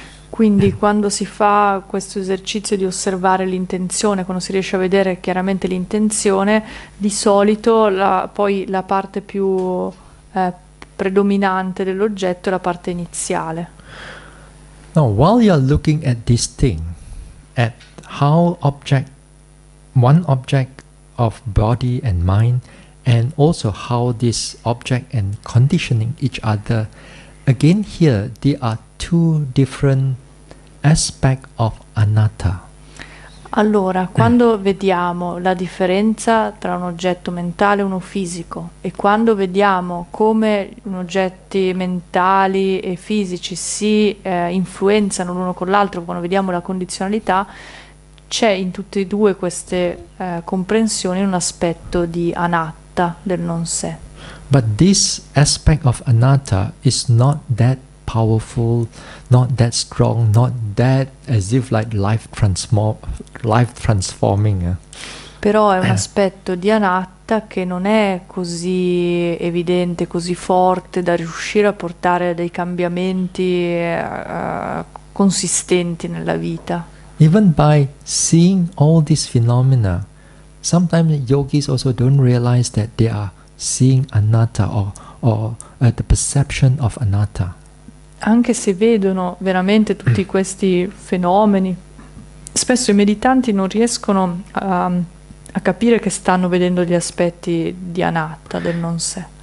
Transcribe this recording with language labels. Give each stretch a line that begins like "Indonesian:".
Italian: Quindi quando si fa questo esercizio di osservare l'intenzione, quando si riesce a vedere chiaramente l'intenzione, di solito la parte più predominante dell'oggetto è la parte iniziale.
English: Now, while you are looking at this thing, at how one object of body and mind And also how this object and conditioning each other. Again here, there are two different aspects of anatta.
Italian: Allora, quando vediamo la differenza tra un oggetto mentale e uno fisico, e quando vediamo come gli oggetti mentali e fisici si influenzano l'uno con l'altro, quando vediamo la condizionalità, c'è in tutte e due queste comprensioni un aspetto di anatta, del non sé.
English: But this aspect of anatta is not that powerful, not that strong, not that as if like life transforming.
Italian: Però è un aspetto di anatta che non è così evidente, così forte da riuscire a portare dei cambiamenti consistenti nella vita.
English: Even by seeing all these phenomena, sometimes yogis also don't realize that they are seeing anatta or the perception of anatta.
Italian: Anche se vedono veramente tutti questi fenomeni, spesso i meditanti non riescono a capire che stanno vedendo gli aspetti di anatta, del non sé.